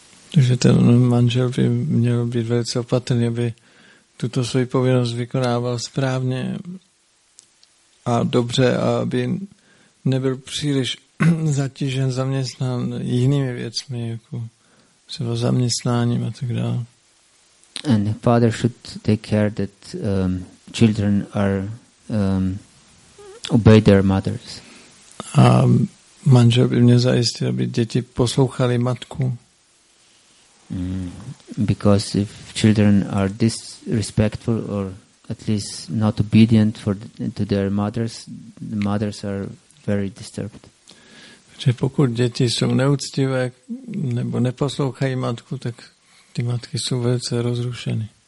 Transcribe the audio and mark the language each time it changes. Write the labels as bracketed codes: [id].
[cs] Takže ten manžel by měl být velice opatrný, aby tuto svoji povinnost vykonával správně a dobře, aby nebyl příliš zatížen, zaměstnán jinými věcmi, jako třeba zaměstnáním a tak dále. [en] And the father should take care that children are obey their mothers. [cs] A manžel by měl zajistit, aby děti poslouchali matku. [en] Because if children are disrespectful or at least not obedient to their mothers, the mothers are very disturbed. [cs] Protože pokud děti jsou neúctivé nebo neposlouchají matku, tak ty matky jsou velice rozrušeny.